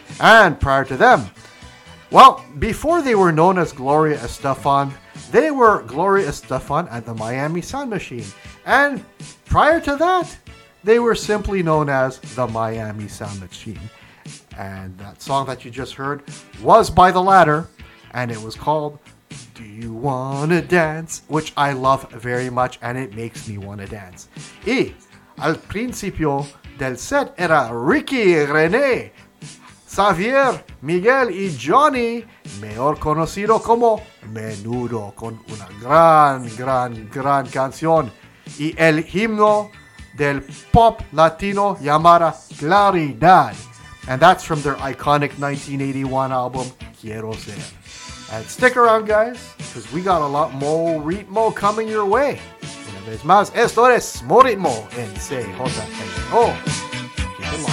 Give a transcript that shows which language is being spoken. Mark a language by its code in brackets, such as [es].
[en] And prior to them, well, before they were known as Gloria Estefan, they were Gloria Estefan and the Miami Sound Machine. And prior to that, They were simply known as the Miami Sound Machine. And that song that you just heard was by the latter, and it was called Do You Wanna Dance? Which I love very much, and it makes me wanna dance. [es] E al principio del set era Ricky, René, Xavier, Miguel y Johnny, mejor conocido como Menudo, con una gran, gran, gran canción y el himno del pop latino llamada Claridad. [en] And that's from their iconic 1981 album, Quiero Ser. And stick around, guys, because we got a lot more ritmo coming your way. [es] Una vez más, esto es Moritmo en CJLO.